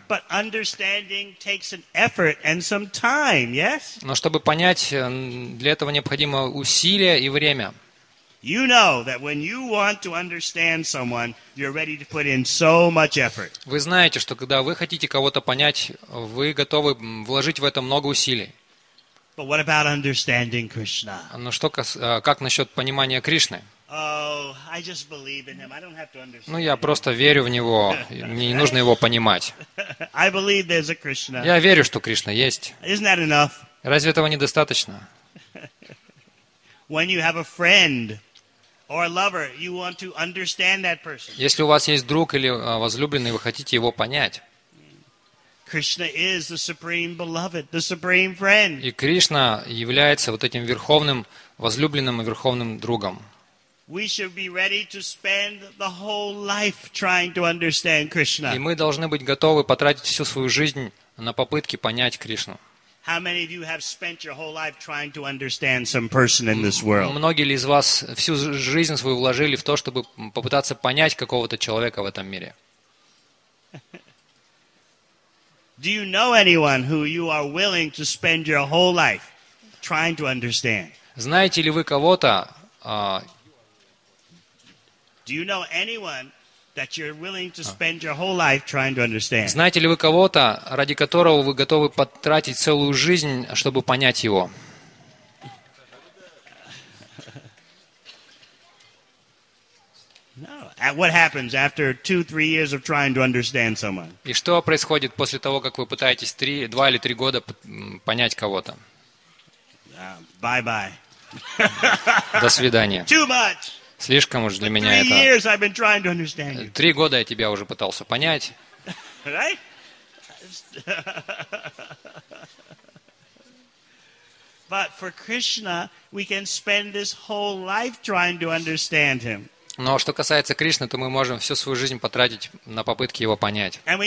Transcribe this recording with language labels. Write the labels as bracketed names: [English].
[English] But understanding takes an effort and some time, yes? [Russian] Но чтобы понять, для этого необходимо усилие и время. [English] You know that when you want to understand someone, you're ready to put in so much effort. [Russian] Вы знаете, что когда вы хотите кого-то понять, вы готовы вложить в это много усилий. [English] But what about understanding Krishna? [Russian] Но что как насчет понимания Кришны? [English] Oh, I just believe in him. I don't have to understand. [Russian] Ну я просто верю в него. Мне не нужно его понимать. [English] I believe there's a Krishna. [Russian] Я верю, что Кришна есть. [English] Isn't that enough? [Russian] Разве этого недостаточно? [English] When you have a friend or a lover, you want to understand that person. [Russian] Если у вас есть друг или возлюбленный, вы хотите его понять. [English] Krishna is the supreme beloved, the supreme friend. [Russian] И Кришна является вот этим верховным возлюбленным и верховным другом. [English] We should be ready to spend the whole life trying to understand Krishna. [Russian] И мы должны быть готовы потратить всю свою жизнь на попытки понять Кришну. [English] How many of you have spent your whole life trying to understand some person in this world? [Russian] Многие ли из вас всю жизнь свою вложили в то, чтобы попытаться понять какого-то человека в этом мире? [English] Do you know anyone who you are willing to spend your whole life trying to understand? [Russian] Знаете ли вы кого-то? [English] Do you know anyone that you're willing to spend your whole life trying to understand? [Russian] Знаете ли вы кого-то, ради которого вы готовы потратить целую жизнь, чтобы понять его? [English] What happens after 2-3 years of trying to understand someone? [Russian] И что происходит после того, как вы пытаетесь 2 или 3 года понять кого-то? [English] Bye-bye. [Russian] До свидания. [English] Too much. [Russian] Слишком уж для меня это. [English] 3 years I've been trying to understand you. [Russian] 3 года я тебя уже пытался понять. [English] Right? But for Krishna, we can spend this whole life trying to understand him. [Russian] Но что касается Кришны, то мы можем всю свою жизнь потратить на попытки его понять.